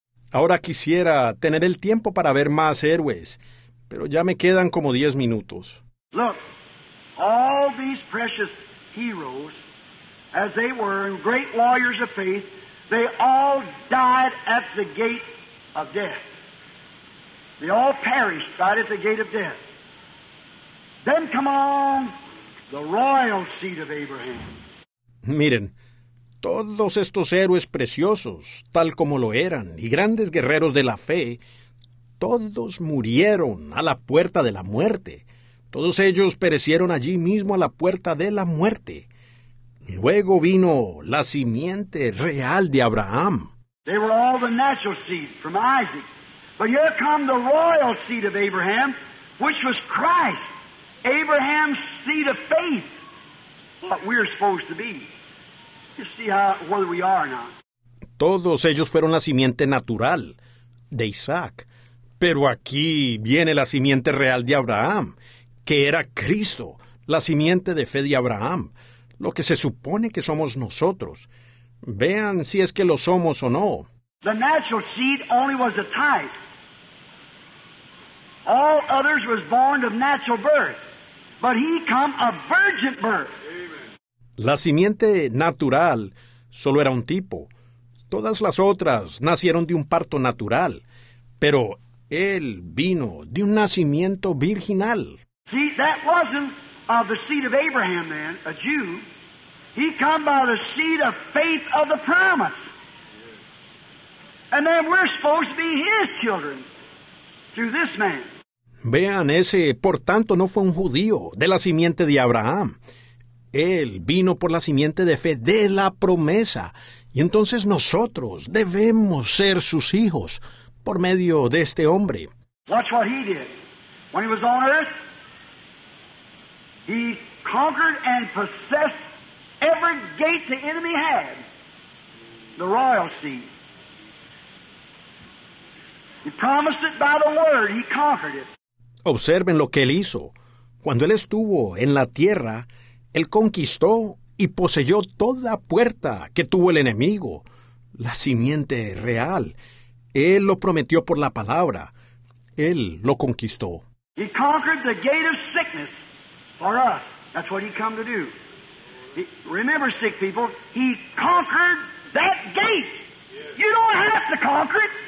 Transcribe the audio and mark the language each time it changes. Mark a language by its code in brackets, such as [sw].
[es] Ahora quisiera tener el tiempo para ver más héroes, pero ya me quedan como 10 minutos. [en] Look. All these precious heroes, as they were, and great warriors of faith, they all died at the gate of death. They all perished right at the gate of death. Then come along the royal seed of Abraham. [es] Miren, todos estos héroes preciosos, tal como lo eran, y grandes guerreros de la fe, todos murieron a la puerta de la muerte. Todos ellos perecieron allí mismo a la puerta de la muerte. Luego vino la simiente real de Abraham. [en] They were all the natural seed from Isaac. But here come the royal seed of Abraham, which was Christ. Abraham's seed of faith. What we're supposed to be. You see how, whether we are or not. [es] Todos ellos fueron la simiente natural de Isaac. Pero aquí viene la simiente real de Abraham, que era Cristo, la simiente de fe de Abraham, lo que se supone que somos nosotros. Vean si es que lo somos o no. [en] The natural seed only was a type. All others was born of natural birth, but he come a virgin birth. [es] La simiente natural solo era un tipo. Todas las otras nacieron de un parto natural, pero él vino de un nacimiento virginal. [en] See, that wasn't of the seed of Abraham then, a Jew. He come by the seed of faith of the promise. And then we're supposed to be his children through this man. [es] Vean, ese, por tanto, no fue un judío de la simiente de Abraham. Él vino por la simiente de fe de la promesa. Y entonces nosotros debemos ser sus hijos por medio de este hombre. [en] Watch what he did. When he was on earth, he conquered and possessed every gate the enemy had, the royal seed. He promised it by the word. He conquered it. [es] Observen lo que él hizo. Cuando él estuvo en la tierra, él conquistó y poseyó toda puerta que tuvo el enemigo, la simiente real. Él lo prometió por la palabra. Él lo conquistó. [en] He conquered the gate of sickness. For us, that's what he come to do. He, remember, sick people, he conquered that gate. Yes. You don't have to conquer it.